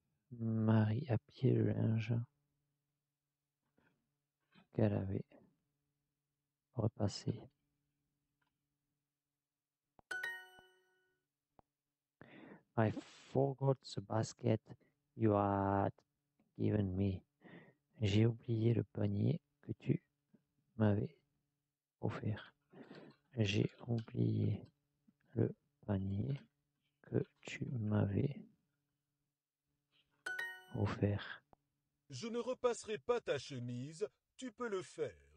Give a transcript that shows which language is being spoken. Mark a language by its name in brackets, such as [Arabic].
[French] Marie a plié le linge qu'elle avait repassé. [English] I forgot the basket you had given me. [French] J'ai oublié le panier que tu m'avais offert. J'ai oublié le panier que tu m'avais offert. Je ne repasserai pas ta chemise. Tu peux le faire.